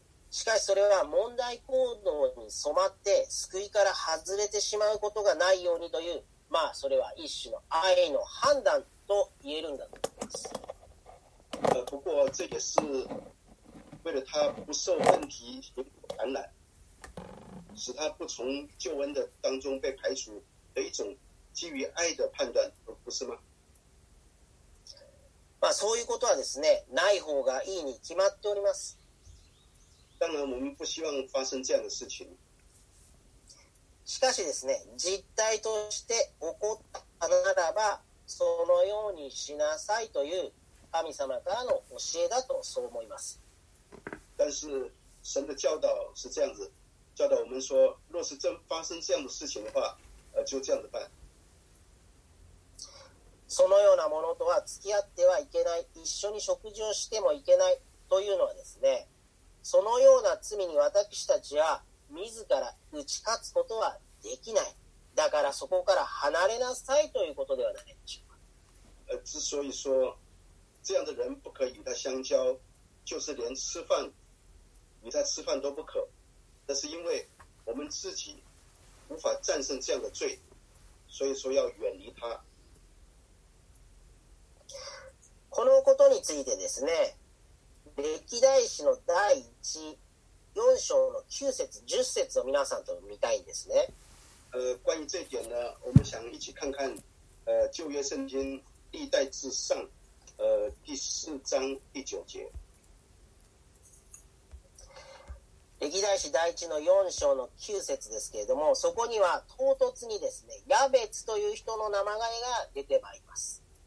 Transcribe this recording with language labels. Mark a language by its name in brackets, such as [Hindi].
[Japanese] しかしそれは問題行動に染まって救いから外れてしまうことがないようにという、まあそれは一種の愛の判断と言えるんだと思います。 [Chinese] 不过这也是为了他不受问题感染。使他不从救恩的当中被排除的一种基于爱的判断，不是吗？ [Japanese] まあそういうことはですね、ない方がいいに決まっております。 [Chinese] 当然，我们不希望发生这样的事情。 [Japanese] しかしですね、実態として起こったならば、そのようにしなさいという神様からの教えだとそう思います。 [Chinese] 但是神的教导是这样子。教导我们说，若是真发生这样的事情的话，就这样子办。 [Japanese] そのようなものとは付き合ってはいけない、一緒に食事をしてもいけないというのはですね、そのような罪に私たちは自ら打ち勝つことはできない。だからそこから離れなさいということではないでしょうか。 [Chinese] 之所以说这样的人不可与他相交，就是连吃饭，与他吃饭都不可。那是因为我们自己无法战胜这样的罪，所以说要远离他。 [Japanese] このことについてですね、歴代史の第一四章の九節十節を皆さんと見たいんですね。 [Chinese] 关于这一点呢，我们想一起看看，旧约圣经历代至上，第四章第九节。 [Japanese] 歴代史第一の4章の9節ですけれども、そこには唐突にですね、ヤベツという人の名前が出てまいります。